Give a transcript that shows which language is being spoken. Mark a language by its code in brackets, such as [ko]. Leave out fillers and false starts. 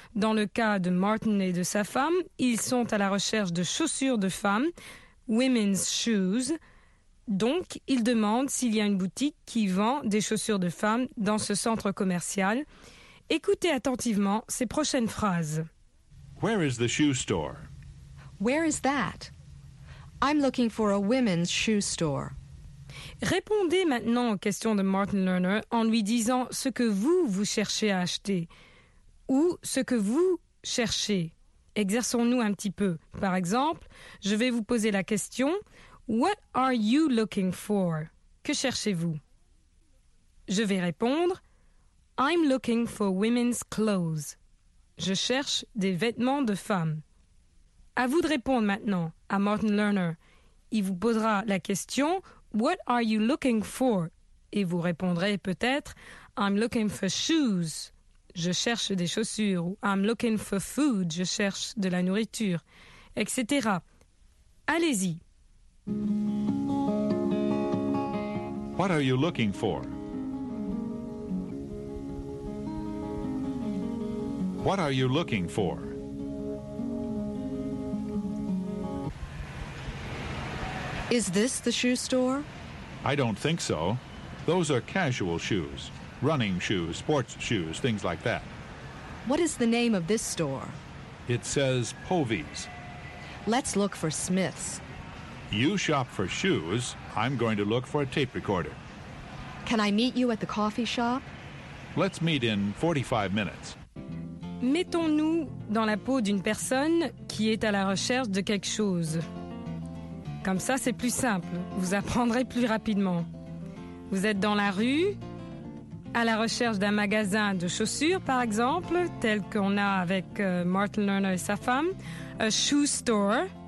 [fr] Dans le cas de Martin et de sa femme, ils sont à la recherche de chaussures de femmes, [en] women's shoes. [fr] Donc, ils demandent s'il y a une boutique qui vend des chaussures de femmes dans ce centre commercial. Écoutez attentivement ces prochaines phrases. [en] Where is the shoe store? Where is that? I'm looking for a women's shoe store. [fr] Répondez maintenant aux questions de Martin Lerner en lui disant ce que vous cherchez à acheter ou ce que vous cherchez. Exerçons-nous un petit peu. Par exemple, je vais vous poser la question « [en] What are you looking for? [fr] » Que cherchez-vous? Je vais répondre « [en] I'm looking for women's clothes. [fr] » Je cherche des vêtements de femmes. À vous de répondre maintenant à Martin Lerner. Il vous posera la question « [en] What are you looking for? [fr] » Et vous répondrez peut-être « [en] I'm looking for shoes. [fr] » Je cherche des chaussures. Ou « [en] I'm looking for food. [fr] » Je cherche de la nourriture, etc. Allez-y. [en] What are you looking for? What are you looking for? Is this the shoe store? I don't think so. Those are casual shoes, running shoes, sports shoes, things like that. What is the name of this store? It says Povey's. Let's look for Smith's. You shop for shoes. I'm going to look for a tape recorder. Can I meet you at the coffee shop? Let's meet in 45 minutes. [fr] Mettons-nous dans la peau d'une personne qui est à la recherche de quelque chose. Comme ça, c'est plus simple. Vous apprendrez plus rapidement. Vous êtes dans la rue, à la recherche d'un magasin de chaussures, par exemple, tel qu'on a avec Martin Lerner et sa femme, [en] a shoe store.